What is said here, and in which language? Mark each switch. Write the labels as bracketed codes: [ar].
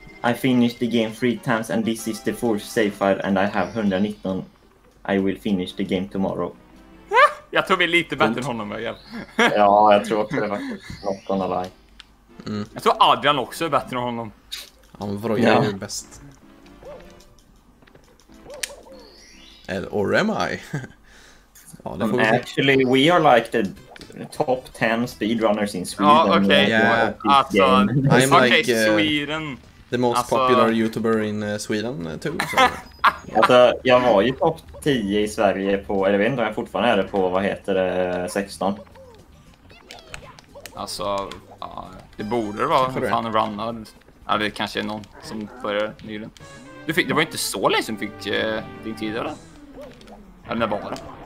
[en] I finished the game 3 times and this is the 4th save file and I have 119. I will finish the game tomorrow. [sv] Jag tror vi är lite bättre än honom igen. Ja, jag tror också det faktiskt. [en] Not gonna lie. Mm. [sv] Jag tror Adrian också är bättre än honom. Ja, men vadå, jag är ju bäst. [en] Or am I? [sv] Ja, det får vi se. [en] Actually, we are like the top 10 speedrunners in Sweden. [sv] Ja, okej. Alltså, [en] I'm like the most alltså... popular YouTuber in Sweden too. So. [sv] Alltså, jag var ju topp 10 i Sverige på, eller jag vet inte om jag fortfarande är det på, vad heter det, 16. Alltså, ja, det borde det vara, för fan runnad. Eller det kanske är någon som började nyligen. Du fick, det var ju inte så länge som fick din tid, eller? Eller när var det?